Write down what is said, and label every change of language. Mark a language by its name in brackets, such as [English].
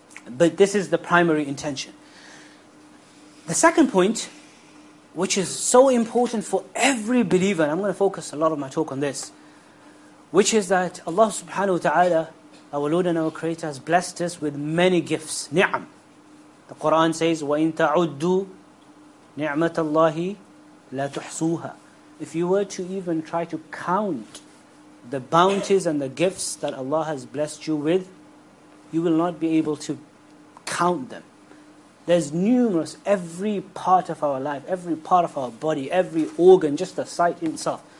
[English] But this is the primary intention. The second point, which is so important for every believer, and I'm going to focus a lot of my talk on this, which is that Allah subhanahu wa ta'ala, our Lord and our Creator, has blessed us with many gifts, ni'am. The Quran says, [Arabic] وَإِن تَعُدُّوا نِعْمَةَ اللَّهِ لَا تُحْصُوهَا. [English] If you were to even try to count the bounties and the gifts that Allah has blessed you with, you will not be able to count them. There's numerous, every part of our life, every part of our body, every organ, just the sight itself.